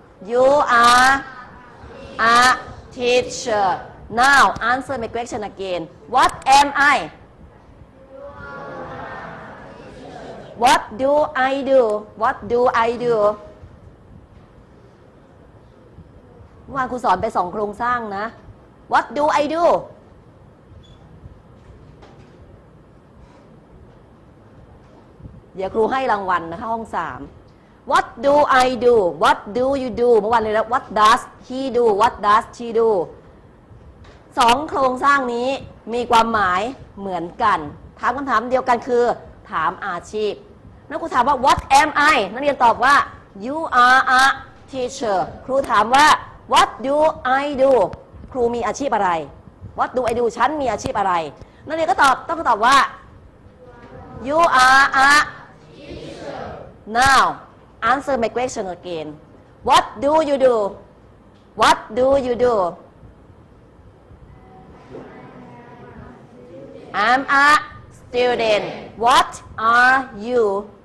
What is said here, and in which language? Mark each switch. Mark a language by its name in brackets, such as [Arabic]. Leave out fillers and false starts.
[English] You are a teacher Now answer my question again What am I What do I do What do I do [Thai] เมื่อวานครูสอนไป2โครงสร้างนะ [English] What do I do? [Thai] เดี๋ยวครูให้รางวัลนะคะห้อง3 [English] What do I do? What do you do? [Thai] เมื่อวานเลยแล้ว [English] What does he do? What does she do? [Thai] 2โครงสร้างนี้มีความหมายเหมือนกันถามคำถามเดียวกันคือถามอาชีพนักครูถามว่า [English] What am I? [Thai] นักเรียนตอบว่า [English] You are a teacher [Thai] ครูถามว่า [English] What do I do? [Thai] ครูมีอาชีพอะไร [English] What do I do? [Thai] ฉันมีอาชีพอะไรนักเรียนก็ตอบต้องตอบว่า [English] You are a teacher Now answer my question again What do you do? What do you do? I'm a student What are you?